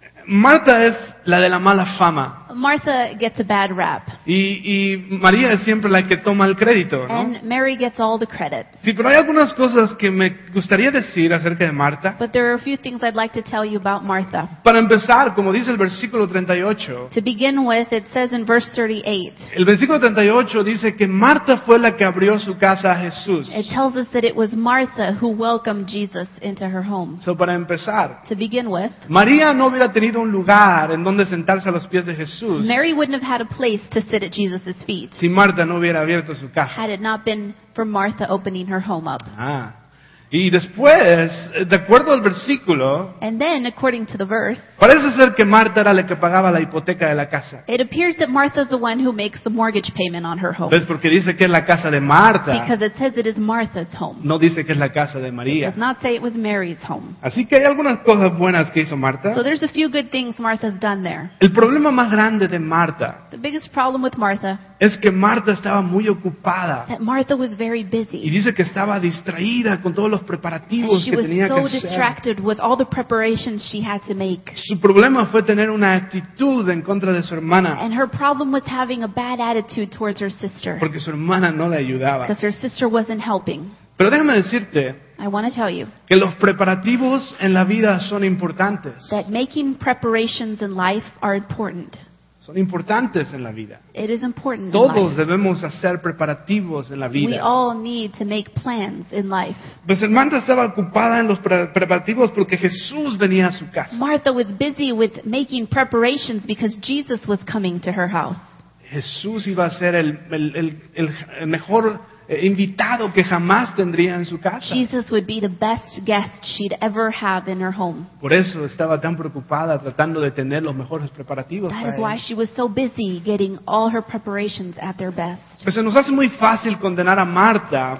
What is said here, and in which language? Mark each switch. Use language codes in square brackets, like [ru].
[es] Marta es la de la mala fama. [en] Martha gets a bad rap. [es] Y María es siempre la que toma el crédito, ¿no? [en] And Mary gets all the credit. [es] Sí, pero hay algunas cosas que me gustaría decir acerca de Marta. [en] But there are a few things I'd like to tell you about Martha. [es] Para empezar, como dice el versículo 38. [en] To begin with, it says in verse 38. [es] El versículo 38 dice que Marta fue la que abrió su casa a Jesús. [en] It tells us that it was Martha who welcomed Jesus into her home. [es] So para empezar, [en] to begin with, [es] María no hubiera tenido un lugar en donde sentarse a los pies de Jesús. [en] Mary wouldn't have had a place to sit at Jesus' feet. [es] Si Marta no hubiera abierto su casa. [en] Had it not been for Martha opening her home up. [es] Ah. Y después, de acuerdo al versículo, [en] and then, according to the verse, [es] parece ser que Marta era la que pagaba la hipoteca de la casa. [en] It appears that Martha's the one who makes the mortgage payment on her home. [es] Es porque dice que es la casa de Marta. [en] Because it says it is Martha's home. [es] No dice que es la casa de María. [en] It does not say it was Mary's home. [es] Así que hay algunas cosas buenas que hizo Marta. [en] So there's a few good things Martha's done there. [es] El problema más grande de Marta, [en] the biggest problem with Martha, [es] es que Marta estaba muy ocupada. [en] That Martha was very busy. [es] Y dice que estaba distraída con todos los preparativos que tenía que hacer. [en] She was so distracted with all the preparations she had to make. [es] Su problema fue tener una actitud en contra de su hermana. [en] And her problem was having a bad attitude towards her sister. [es] Porque su hermana no le ayudaba. [en] Because her sister wasn't helping. [es] Pero déjame decirte, [en] I want to tell you, [es] que los preparativos en la vida son importantes. [en] That making preparations in life are important. [es] Son importantes en la vida. [en] It is important. [es] Todos debemos hacer preparativos en la vida. [en] We all need to make plans in life. [es] Pues Marta estaba ocupada en los preparativos porque Jesús venía a su casa. [en] Martha was busy with making preparations because Jesus was coming to her house. [es] Jesús iba a ser el mejor invitado que jamás tendría en su casa. [en] Jesus would be the best guest she'd ever have in her home. [es] Por eso estaba tan preocupada tratando de tener los mejores preparativos. [en] That is why she was so busy getting all her preparations at their best. [es] Pues se nos hace muy fácil condenar a Marta.